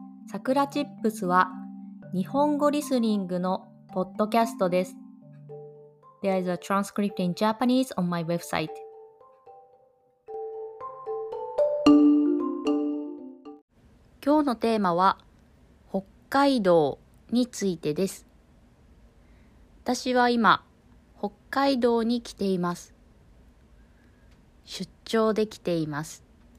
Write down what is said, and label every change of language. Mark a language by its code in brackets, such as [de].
[ja] さくらチップスは日本語リスニングのポッドキャストです。 [en] There is a transcript in Japanese on my website. [ja] 今日のテーマは北海道についてです。私は今北海道に来ています。出張で来ています。